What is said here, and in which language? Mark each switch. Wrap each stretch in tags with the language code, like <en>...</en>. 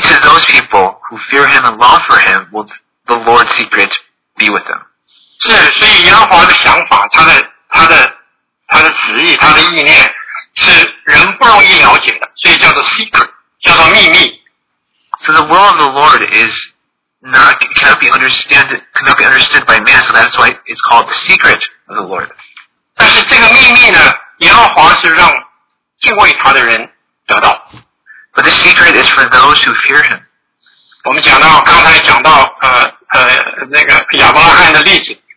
<en>to those people who fear him and long for him will the Lord's secret be with them.</en> <zh>是，所以耶和华的想法，他的旨意，他的意念，是人不容易了解的，所以叫做 secret， 叫做秘密。</zh> <en>So the will of the Lord is cannot be understood by man. So that's why it's called the secret of the Lord.</en> <zh>但是这个秘密呢，耶和华是让敬畏他的人得到。But</zh> <en>the secret is for those who fear him.</en> <zh>我们讲到刚才讲到那个亚伯拉罕的例子。</zh>